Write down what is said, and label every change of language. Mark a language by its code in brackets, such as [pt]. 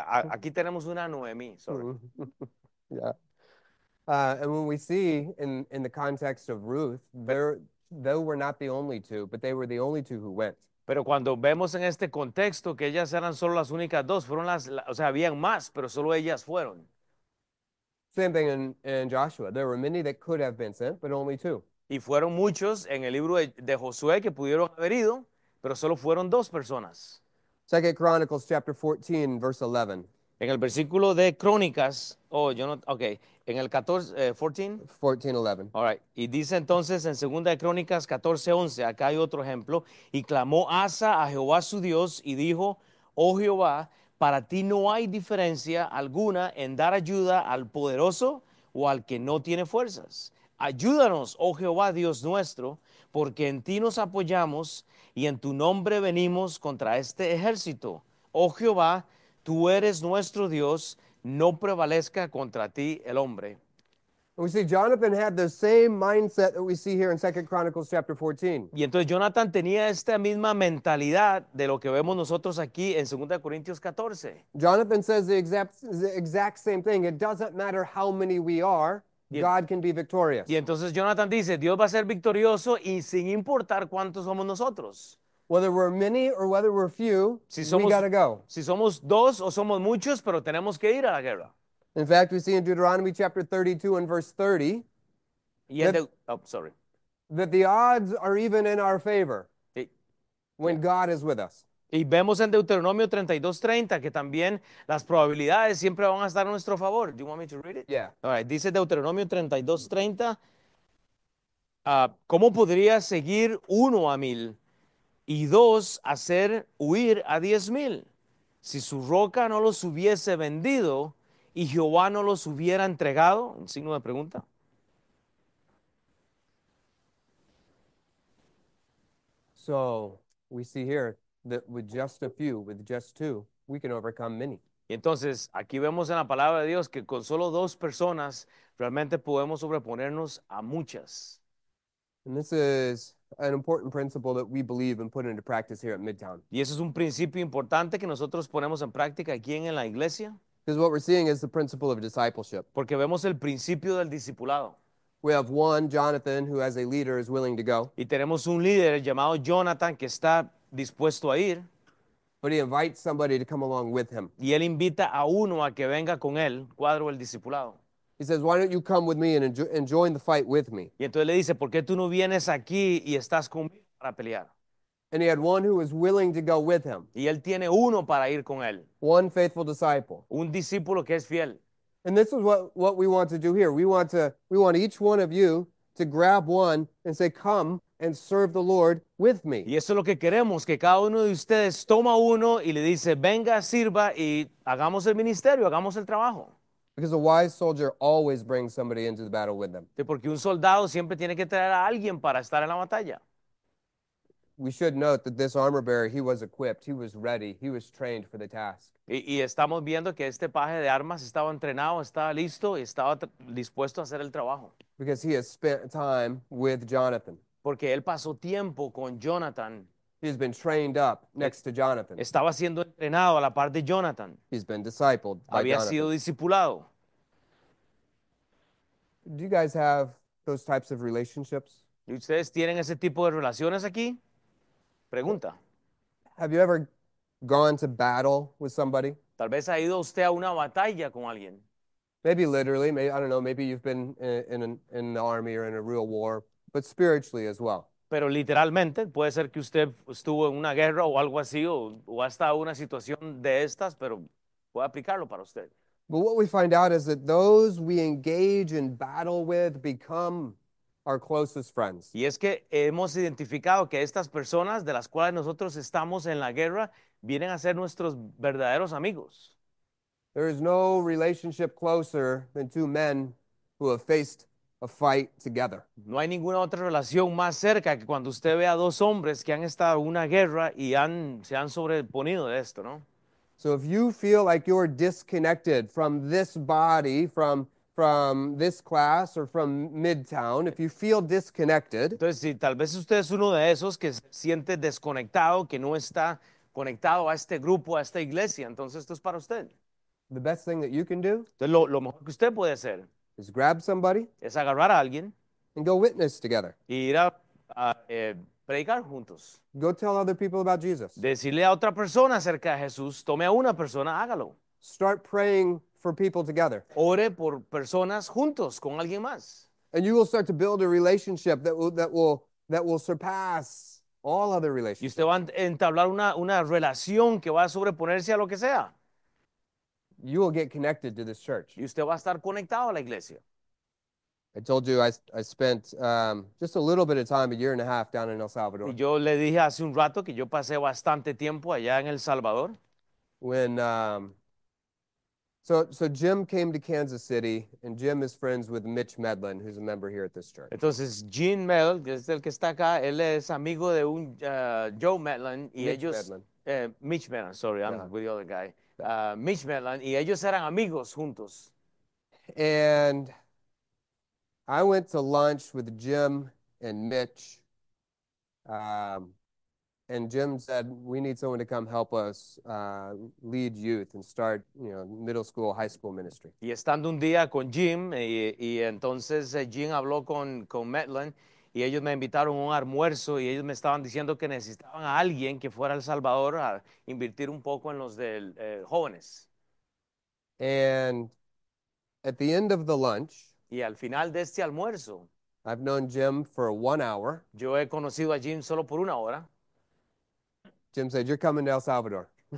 [es] Aquí tenemos una Noemí, [en] sorry. Yeah. And when we see in the context of Ruth, they were not the only two, but they were the only two who went. [es] Pero cuando vemos en este contexto que ellas eran solo las únicas dos, fueron las, o sea, habían más, pero solo ellas fueron. [en] Same thing in Joshua. There were many that could have been sent, but only two. [es] Y fueron muchos en el libro de Josué que pudieron haber ido, pero solo fueron dos personas. [en] 2 Chronicles chapter 14, verse 11. [es] En el versículo de Crónicas, oh, yo no, okay, en el 14, 14? [en] 14, 11. All right, [es] y dice entonces en 2 de Crónicas 14, 11, acá hay otro ejemplo, y clamó Asa a Jehová su Dios y dijo, oh Jehová, para ti no hay diferencia alguna en dar ayuda al poderoso o al que no tiene fuerzas. Ayúdanos, oh Jehová, Dios nuestro, porque en ti nos apoyamos y en tu nombre venimos contra este ejército, oh Jehová. Tú eres nuestro Dios, no prevalezca contra ti el hombre. [en] We see Jonathan had the same mindset that we see here in 2 Chronicles chapter 14. [es] Y entonces Jonathan tenía esta misma mentalidad de lo que vemos nosotros aquí en 2 Corintios 14. [en] Jonathan says the exact same thing. It doesn't matter how many we are. God can be victorious. [es] Y entonces Jonathan dice, Dios va a ser victorioso y sin importar cuántos somos nosotros. [en] Whether we're many or whether we're few, [es] Si [en] we [es] somos [en] gotta go. [es] si somos dos o somos muchos, pero tenemos que ir a la guerra. [en] In fact, we see in Deuteronomy chapter 32 and verse 30 that the odds are even in our favor when God is with us. [es] Y vemos en Deuteronomio 32:30 que también las probabilidades siempre van a estar a nuestro favor. [en] Do you want me to read it? Yeah. All right. [es] Dice Deuteronomio 32:30, ¿cómo podría seguir uno a mil y dos hacer huir a 10,000? Si su roca no los hubiese vendido y Jehová no los hubiera entregado, un signo de pregunta. [en] So we see here that with just a few, with just two, we can overcome many. [es] Entonces, aquí vemos en la palabra de Dios que con solo dos personas realmente podemos sobreponernos a muchas. [en] And this is an important principle that we believe and put into practice here at Midtown. [es] Y eso es un principio importante que nosotros ponemos en práctica aquí en la iglesia. [en] Because what we're seeing is the principle of discipleship. [es] Porque vemos el principio del discipulado. [en] We have one, Jonathan, who as a leader is willing to go. [es] Y tenemos un líder llamado Jonathan que está dispuesto a ir. [en] But he invites somebody to come along with him. [es] Y él invita a uno a que venga con él, cuadro el discipulado. [en] He says, why don't you come with me and join the fight with me? [es] Y entonces le dice, ¿por qué tú no vienes aquí y estás conmigo para pelear? [en] And he had one who was willing to go with him. [es] Y él tiene uno para ir con él. [en] One faithful disciple. [es] Un discípulo que es fiel. [en] And this is what we want to do here. We want each one of you to grab one and say, come and serve the Lord with me. [es] Y eso es lo que queremos, que cada uno de ustedes toma uno y le dice, venga, sirva y hagamos el ministerio, hagamos el trabajo. [en] Because a wise soldier always brings somebody into the battle with them. [es] Porque un soldado siempre tiene que traer a alguien para estar en la batalla. [en] We should note that this armor bearer, he was equipped, he was ready, he was trained for the task. [es] Y estamos viendo que este paje de armas estaba entrenado, estaba listo y estaba dispuesto a hacer el trabajo. [en] Because he has spent time with Jonathan. [es] Porque él pasó tiempo con Jonathan. [en] He's been trained up next to Jonathan. [es] Estaba siendo entrenado a la par de Jonathan. [en] He's been discipled by [es] Había [en] Jonathan. [es] Sido discipulado. [en] Do you guys have those types of relationships? [es] ¿Y ustedes tienen ese tipo de relaciones aquí? Pregunta. [en] Have you ever gone to battle with somebody? [es] Tal vez ha ido usted a una batalla con alguien. [en] Maybe literally, maybe, I don't know, maybe you've been in the army or in a real war, but spiritually as well. [es] Pero literalmente, puede ser que usted estuvo en una guerra o algo así, o hasta una situación de estas, pero puede aplicarlo para usted. [en] But what we find out is that those we engage in battle with become our closest friends. [es] Y es que hemos identificado que estas personas de las cuales nosotros estamos en la guerra vienen a ser nuestros verdaderos amigos. [en] There is no relationship closer than two men who have faced a fight together. [es] No hay ninguna otra relación más cerca que cuando usted ve a dos hombres que han estado en una guerra y se han sobreponido de esto, ¿no? [en] So if you feel like you're disconnected from this body, from this class or from Midtown, if you feel disconnected, [es] entonces, si tal vez usted es uno de esos que se siente desconectado, que no está conectado a este grupo, a esta iglesia, entonces esto es para usted. [en] The best thing that you can do [es] entonces, lo mejor que usted puede hacer [en] is grab somebody [es] es agarrar a alguien [en] and go witness together. [es] Y ir a predicar juntos. [en] Go tell other people about Jesus. [es] Decirle a otra persona acerca de Jesús. Tome a una persona, hágalo. [en] Start praying for people together. [es] Ore por personas juntos con alguien más. [en] And you will start to build a relationship that will surpass all other relationships. [es] Y usted va a entablar una relación que va a sobreponerse a lo que sea. [en] You will get connected to this church. [es] Y usted va a estar conectado a la iglesia. [en] I told you I spent just a little bit of time, a year and a half, down in El Salvador. [es] Yo le dije hace un rato que yo pasé bastante tiempo allá en El Salvador. [en] When so Jim came to Kansas City, and Jim is friends with Mitch Medlin, who's a member here at this church. [es] Entonces, Jim Medlin, que es el que está acá, él es amigo de un Joe Medlin, y [en] Mitch [es] ellos, [en] Medlin. Mitch Medlin, sorry, I'm yeah. with the other guy. [es] Mitch Medlin, y ellos eran amigos juntos. [en] And I went to lunch with Jim and Mitch And Jim said, we need someone to come help us lead youth and start, middle school, high school ministry. [es] Y estando un día con Jim, y entonces Jim habló con Metlin, y ellos me invitaron a un almuerzo, y ellos me estaban diciendo que necesitaban a alguien que fuera a El Salvador a invertir un poco en los del jóvenes. [en] And at the end of the lunch, [es] Y al final de este almuerzo, [en] I've known Jim for 1 hour. [es] yo he conocido a Jim solo por 1 hora. [en] Jim said, you're coming to El Salvador.